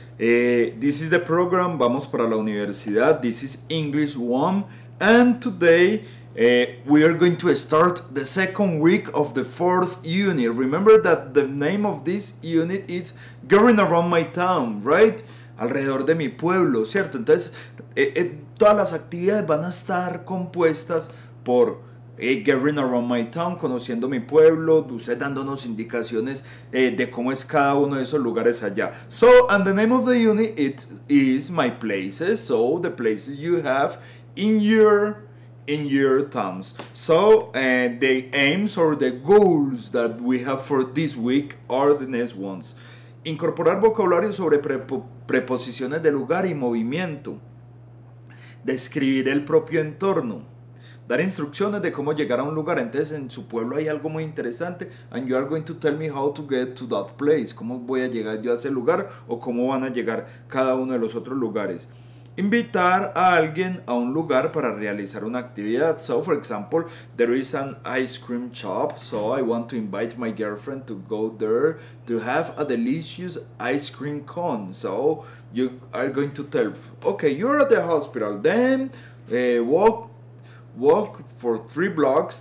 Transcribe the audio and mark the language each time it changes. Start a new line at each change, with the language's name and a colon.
English: This is the program Vamos para la Universidad. This is English 1. And today, we are going to start the second week of the fourth unit. Remember that the name of this unit is Going Around My Town, right?
Spanish: Alrededor de mi pueblo, ¿cierto? Entonces, todas las actividades van a estar compuestas por Getting Around My Town, conociendo mi pueblo, usted dándonos indicaciones de cómo es cada uno de esos lugares allá.
English: So, and the name of the unit it is My Places, so the places you have in your towns. So, the aims or the goals that we have for this week are the next ones.
Spanish: Incorporar vocabulario sobre preposiciones de lugar y movimiento. Describir el propio entorno. Dar instrucciones de cómo llegar a un lugar. Entonces, en su pueblo hay algo muy interesante.
English: And you are going to tell me how to get to that place.
Spanish: ¿Cómo voy a llegar yo a ese lugar? ¿O cómo van a llegar cada uno de los otros lugares? Invitar a alguien a un lugar para realizar una actividad.
English: So, for example, there is an ice cream shop. So, I want to invite my girlfriend to go there to have a delicious ice cream cone. So, you are going to tell, okay, you're at the hospital. Then, walk for 3 blocks.